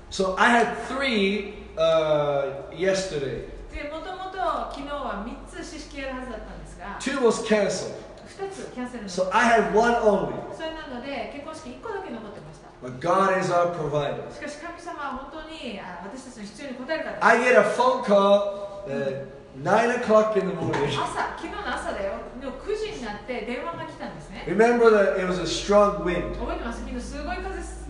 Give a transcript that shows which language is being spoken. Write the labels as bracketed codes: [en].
[en] So I had three yesterday. [ja] で、もともと昨日は3つ式式やるはずだったんですが、 [en] two was canceled. [ja] 2つキャンセル。 [en] So I had one only. [ja] それなので結婚式1個だけ残ってました。 [en] But God is our provider. [ja] しかし神様は本当に私たちの必要に応えるから。 [en] I get a phone call at 9 o'clock in the morning. [ja] 朝、昨日の朝だよ。でも9時になって電話が来たんですね。 [en] Remember that it was a strong wind. [ja] 覚えてます。昨日すごい風。